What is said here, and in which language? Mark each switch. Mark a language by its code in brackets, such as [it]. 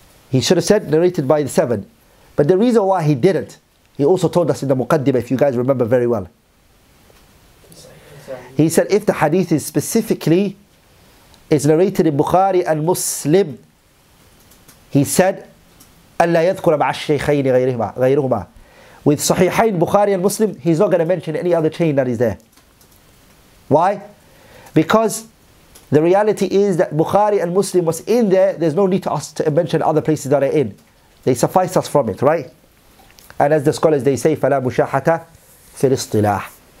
[en] He should have said narrated by the seven. But the reason why he didn't, he also told us in the Muqaddimah, if you guys remember very well. He said, if the hadith is specifically, is narrated in Bukhari and Muslim, he said, [ar] ألا يذكر مع الشيخين غيرهما. [en] With Sahihain Bukhari and Muslim, he's not going to mention any other chain that is there. Why? Because the reality is that Bukhari and Muslim was in there, there's no need to us to mention other places that are in. They suffice us from it, right? And as the scholars, they say, [ar] فَلَا مُشَاحَةَ فِي الْإِصْطِلَاحِ.